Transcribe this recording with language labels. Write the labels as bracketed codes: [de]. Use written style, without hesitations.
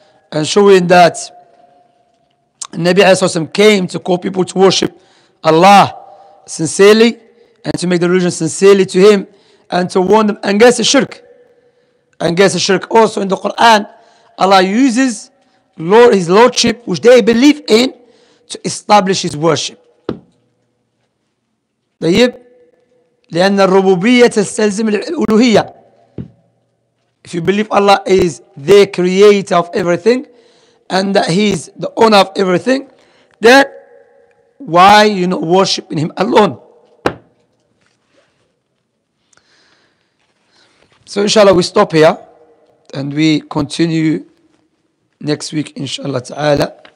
[en] And showing that Nabi Asasim came to call people to worship Allah sincerely and to make the religion sincerely to him and to warn them against the shirk. Against the shirk. Also in the Quran, Allah uses Lord, his lordship, which they believe in, to establish his worship. [ar] طيب لأن الربوبية تستلزم الألوهية. [en] If you believe Allah is the creator of everything and that he is the owner of everything, then why you not worship in him alone? So inshallah we stop here and we continue next week inshallah ta'ala.